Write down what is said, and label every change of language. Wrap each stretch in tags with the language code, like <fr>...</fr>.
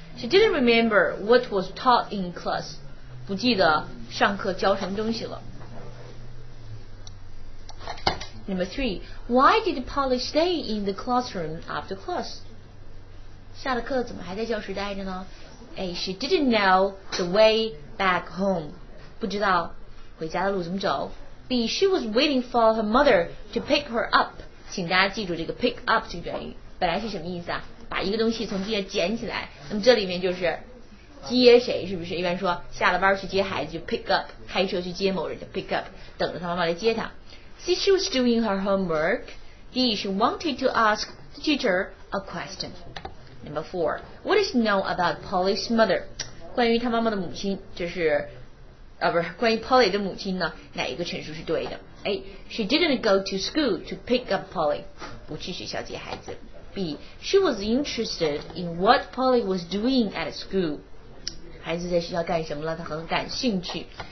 <en>She didn't remember what was taught in class.</en> <zh>不记得上课教什么东西了。</zh> <en>Number three, why did Polly stay in the classroom after class?</en> <zh>下了课怎么还在教室待着呢 A.</zh> <en>She didn't know the way back home</en> <zh>不知道回家的路怎么走</zh> <en>B. She was waiting for her mother to pick her up</en> <zh>请大家记住这个 pick up 这个原因本来是什么意思啊把一个东西从地下捡起来那么这里面就是接谁是不是一般说下了班去接孩子就 pick up 开车去接某人就 pick up 等着他妈妈来接他 C.</zh> <en>She was doing her homework D. She wanted to ask the teacher a questionNumber four, what is known about Polly's mother?</en> <zh>关于她妈妈的母亲，就是，不是关于 Polly 的母亲呢？哪一个陈述是对的 ？A.</zh> <en>She didn't go to school to pick up Polly.</en> <zh>不去学校接孩子。B.</zh> <en>She was interested in what Polly was doing at school.</en> <zh>孩子在学校干什么了？她很感兴趣。</zh>